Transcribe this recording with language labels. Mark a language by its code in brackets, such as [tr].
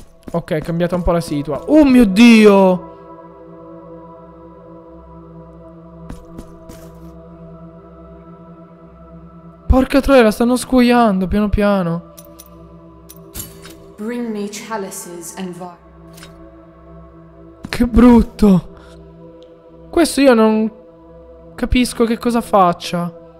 [it] Ok, è cambiata un po' la situa. Oh mio Dio! Porca troia, la stanno scuoiando piano piano. [en] Bring me chalices and vials. [it] Che brutto. Questo io non capisco che cosa faccia.